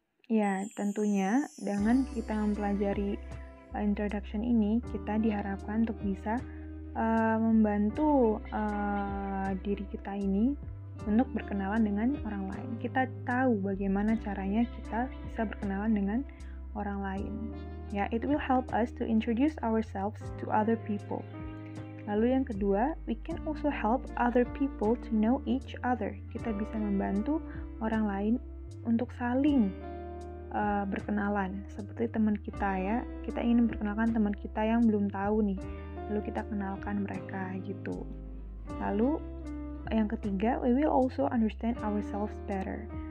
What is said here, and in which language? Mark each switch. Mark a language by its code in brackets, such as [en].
[id] Ya, tentunya dengan kita mempelajari introduction ini, kita diharapkan untuk bisa membantu diri kita ini untuk berkenalan dengan orang lain. Kita tahu bagaimana caranya kita bisa berkenalan dengan orang lain. [en] Ya, it will help us to introduce ourselves to other people. [id] Lalu yang kedua, [en] we can also help other people to know each other. [id] Kita bisa membantu orang lain untuk saling berkenalan, seperti teman kita ya. Kita ingin memperkenalkan teman kita yang belum tahu nih, lalu kita kenalkan mereka gitu. Lalu yang ketiga, [en] we will also understand ourselves better.